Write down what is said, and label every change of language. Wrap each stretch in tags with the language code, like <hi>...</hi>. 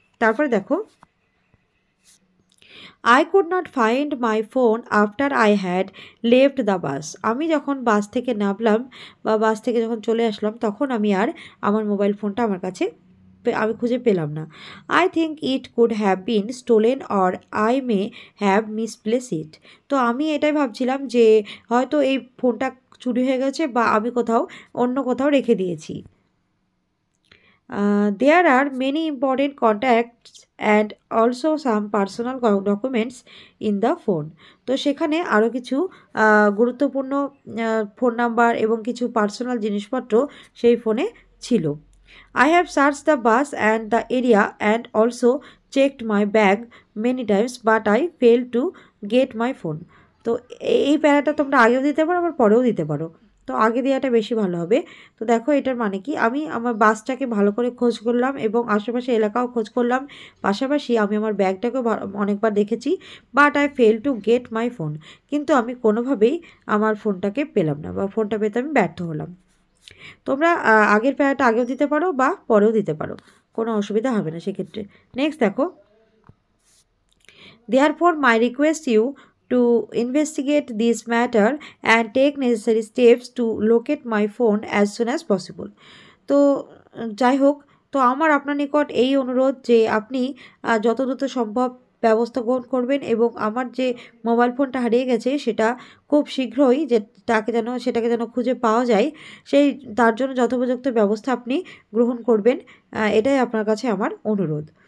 <bn>তারপরে দেখো,</bn> <en>I could not find my phone after I had left the bus,</en> <bn>আমি যখন বাস থেকে নামলাম বা বাস থেকে যখন চলে আসলাম তখন আমি আর আমার মোবাইল ফোনটা আমার কাছে আমি খুঁজে পেলাম না,</bn> <en>I think it could have been stolen or I may have misplace it.</en> <bn>তো আমি এটাই ভাবছিলাম যে হয়তো এই ফোনটা চুরি হয়ে গেছে বা আমি কোথাও অন্য কোথাও রেখে দিয়েছি।</bn> <en>There are many important contacts and also some personal documents in the phone.</en> <bn>তো সেখানে আরও কিছু গুরুত্বপূর্ণ ফোন নাম্বার এবং কিছু পার্সোনাল জিনিসপত্র সেই ফোনে ছিল।</bn> <en>I have searched the bus and the area and also checked my bag many times but I failed to get my phone.</en> <bn>তো এই প্যারাটা তোমরা আগেও দিতে পারো আবার পরেও দিতে পারো। তো আগে দেওয়াটা বেশি ভালো হবে। তো দেখো এটার মানে কি, আমি আমার বাসটাকে ভালো করে খোঁজ করলাম এবং আশেপাশে এলাকাও খোঁজ করলাম, পাশাপাশি আমি আমার ব্যাগটাকেও অনেকবার দেখেছি,</bn> <en>but I fail to get my phone,</en> <bn>কিন্তু আমি কোনোভাবেই আমার ফোনটাকে পেলাম না বা ফোনটা পেতে আমি ব্যর্থ হলাম। তোমরা আগের প্যারাটা আগেও দিতে পারো বা পরেও দিতে পারো, কোনো অসুবিধা হবে না সেক্ষেত্রে।</bn> <en>Next দেখো, therefore my request you to investigate this matter and take necessary steps to locate my phone as soon as possible.</en> <bn>তো যাই হোক, তো আমার আপনার নিকট এই অনুরোধ যে আপনি যত দ্রুত সম্ভব ব্যবস্থা গ্রহণ করবেন এবং আমার যে মোবাইল ফোনটা হারিয়ে গেছে সেটা খুব শীঘ্রই সেটাকে যেন খুঁজে পাওয়া যায়, সেই তার জন্য যথোপযুক্ত ব্যবস্থা আপনি গ্রহণ করবেন, এটাই আপনার কাছে আমার অনুরোধ।</bn>